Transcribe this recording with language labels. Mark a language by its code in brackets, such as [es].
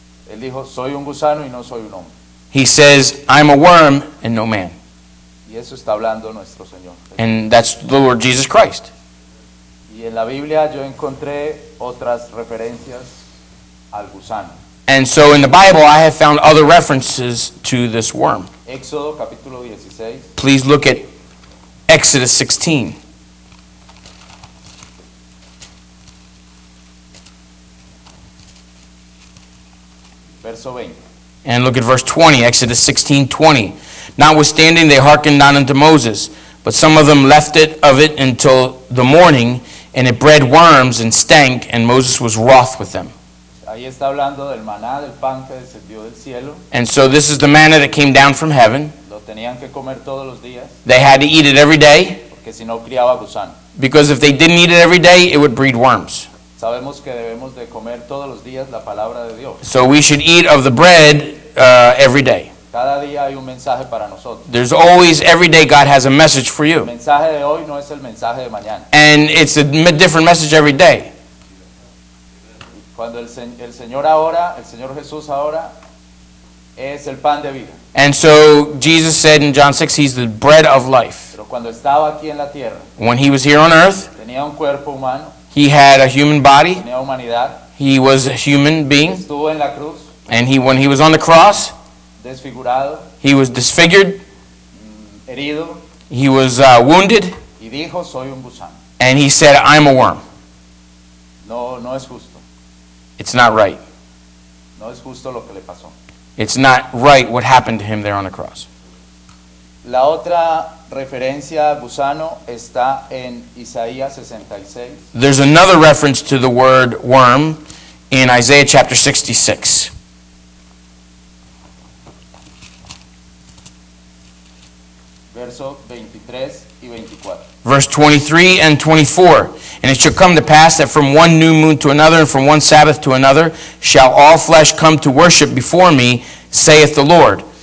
[es] Él dijo, soy un gusano y no soy un hombre. [en] He says, I'm a worm and no man. [es] Y eso está hablando nuestro Señor. [en] And that's the Lord Jesus Christ. [es] Y en la Biblia yo encontré otras referencias al gusano. [en] And so in the Bible, I have found other references to this worm. [es] Éxodo, capítulo 16. [en] Please look at Exodus 16. [es] Verso 20. [en] And look at verse 20, Exodus 16, 20. Notwithstanding, they hearkened not unto Moses, but some of them left it of it until the morning, and it bred worms and stank, and Moses was wroth with them. [es] Ahí está hablando del maná, del pan que descendió del cielo. [en] And so this is the manna that came down from heaven. [es] Lo tenían que comer todos los días. [en] They had to eat it every day. [es] Porque si no, criaba gusano. [en] Because if they didn't eat it every day, it would breed worms. [es] Sabemos que debemos de comer todos los días la palabra de Dios. [en] So we should eat of the bread every day. [es] Cada día hay un mensaje para nosotros. [en] There's always, every day God has a message for you. [es] El mensaje de hoy no es el mensaje de mañana. [en] And it's a different message every day. [es] Cuando el Señor ahora, el Señor Jesús ahora, es el pan de vida. [en] And so Jesus said in John 6, he's the bread of life. [es] Pero cuando estaba aquí en la tierra, [en] when he was here on earth, [es] tenía un cuerpo humano, [en] he had a human body, [es] tenía humanidad, [en] he was a human being, [es] estuvo en la cruz, [en] and he, when he was on the cross, [es] desfigurado, [en] he was disfigured, [es] herido, [en] he was wounded, [es] y dijo, soy un gusano. [en] And he said, I'm a worm. [es] No es justo. [en] It's not right. [es] No es justo lo que le pasó. [en] It's not right what happened to him there on the cross. [es] La otra referencia a gusano está en Isaías 66. [en] There's another reference to the word worm in Isaiah chapter 66. [es] Verso [en] Verse 23 and 24. And it shall come to pass that from one new moon to another, and from one Sabbath to another, shall all flesh come to worship before me, saith the Lord.